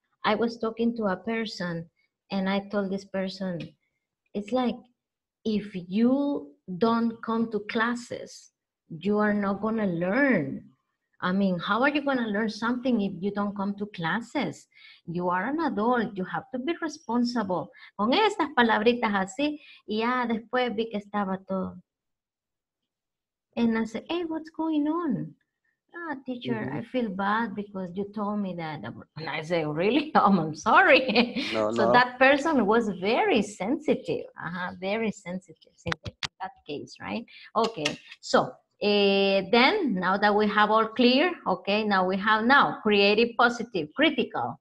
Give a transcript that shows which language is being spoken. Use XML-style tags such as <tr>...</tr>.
<en>I was talking to a person and I told this person, it's like, if you don't come to classes, you are not going to learn. I mean, how are you going to learn something if you don't come to classes? You are an adult. You have to be responsible.</en> <es>Con estas palabritas así, y ya después vi que estaba todo.</es> <en>And I said, hey, what's going on? Ah, oh, teacher, I feel bad because you told me that. And I say, really? Oh, I'm sorry. No. That person was very sensitive. Uh-huh, very sensitive in that case, right? Okay, so then now that we have all clear, okay, now we have now creative, positive, critical.</en>